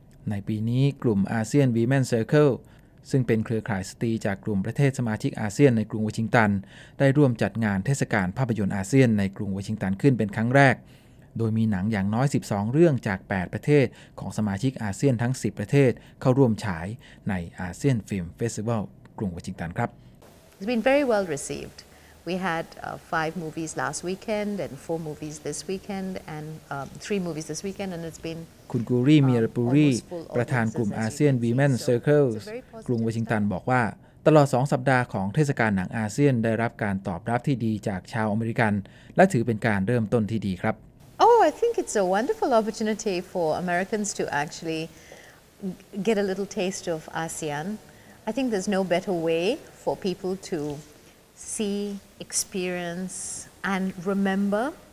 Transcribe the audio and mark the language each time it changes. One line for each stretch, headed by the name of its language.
Thai: ในปีนี้กลุ่มอาเซียน Women's Circle ซึ่งเป็นเครือข่ายสตรีจากกลุ่มประเทศสมาชิกอาเซียนในกรุงวอชิงตันได้ร่วมจัดงานเทศกาลภาพยนตร์อาเซียนในกรุงวอชิงตันขึ้นเป็นครั้งแรกโดยมีหนังอย่างน้อย12เรื่องจาก8ประเทศของสมาชิกอาเซียนทั้ง10ประเทศเข้าร่วมฉายในอาเซียนฟิล์มเฟสติวัลกรุงวอชิงตันครับ
English: It's been very well received. We had 5 movies last weekend and 4 movies this weekend and 3 movies this weekend and it's been
Thai: คุณกูรีเมียร์ปูรีประธานกลุ่มอาเซียน Women Circles กรุงวอชิงตันบอกว่าตลอด2สัปดาห์ของเทศกาลหนังอาเซียนได้รับการตอบรับที่ดีจากชาวอเมริกันและถือเป็นการเริ่มต้นที่ดีครับ
English: Oh I think it's a wonderful opportunity for Americans to actually get a little taste of ASEAN I think there's no better way for people to see experience and remember